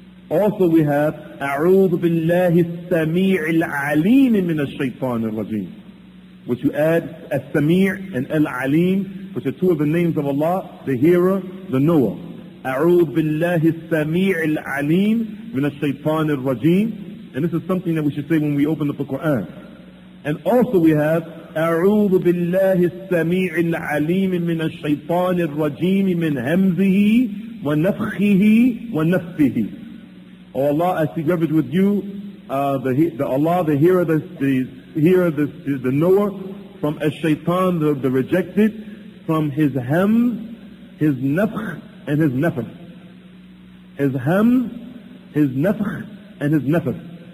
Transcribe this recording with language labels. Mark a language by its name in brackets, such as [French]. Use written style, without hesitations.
[English] Also we have, [Arabic] أَعُوذُ بِاللَّهِ السَّمِيعِ الْعَلِيمِ مِنَ الشَّيْطَانِ الرَّجِيمِ. [English] Which you add, السَّمِيعِ and الْعَلِيمِ, which are two of the names of Allah, the Hearer, the Knower. [Arabic] أَعُوذُ بِاللَّهِ السَّمِيعِ الْعَلِيمِ مِنَ الشَّيْطَانِ الرَّجِيمِ. [English] And this is something that we should say when we open up the Quran. And also we have, [Arabic] أَعُوذُ بِاللَّهِ السَّمِيعِ الْعَلِيمِ مِنَ الشَّيْطَانِ الرَّجِيمِ مِنْ هَمْزِهِ وَنَفْخِهِ وَنَفْثِهِ. [English] O Allah, I seek refuge with you, the Hearer, the Knower, from a shaitan, the rejected, from his hem, his nafkh, and his nafkh. His hem, his nafkh, and his nafkh.